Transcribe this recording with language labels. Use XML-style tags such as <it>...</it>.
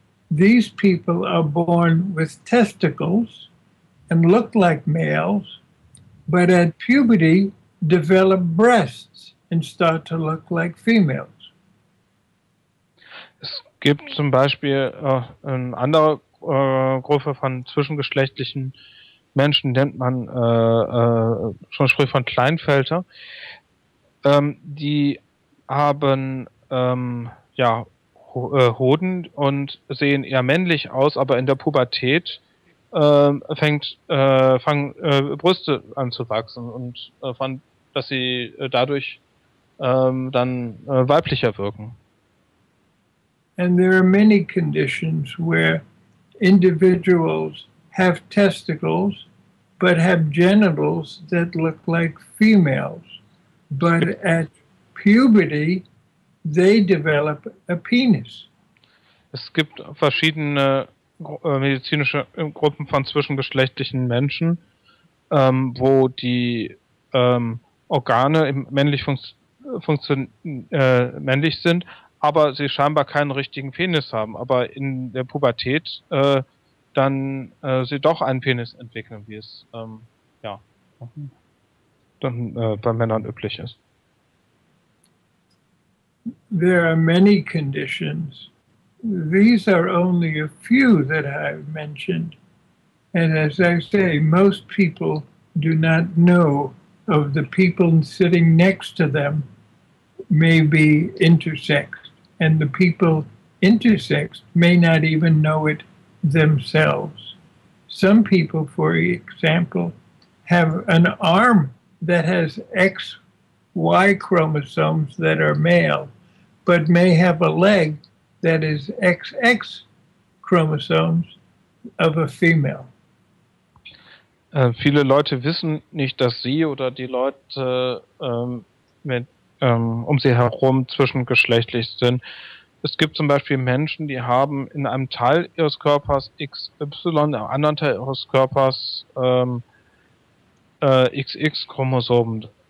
<en>These people are born with testicles and look like males, but at puberty develop breasts and start to look like females.</en> <de>Es gibt zum Beispiel eine andere Gruppe von zwischengeschlechtlichen Menschen, nennt man schon sprich von Kleinfelter. Die haben Hoden und sehen eher männlich aus, aber in der Pubertät fangen Brüste an zu wachsen und dass sie dadurch dann weiblicher wirken.</de> <en>And there are many conditions where individuals have testicles but have genitals that look like females. But at puberty they develop a penis.</en> <de>Es gibt verschiedene medizinische Gruppen von zwischengeschlechtlichen Menschen, wo die Organe männlich männlich sind, aber sie scheinbar keinen richtigen Penis haben, aber in der Pubertät sie doch einen Penis entwickeln, wie es bei Männern üblich ist.</de> <en>There are many conditions. These are only a few that I've mentioned. And as I say, most people do not know of the people sitting next to them may be intersex. And the people intersex may not even know it themselves. Some people, for example, have an arm that has XY chromosomes that are male, but may have a leg that is XX chromosomes of a female.</en> <de>Viele Leute wissen nicht, dass sie oder die Leute um sie herum zwischengeschlechtlich sind. Es gibt zum Beispiel Menschen, die haben in einem Teil ihres Körpers XY, im anderen Teil ihres Körpers XX-Chromosomen.</de>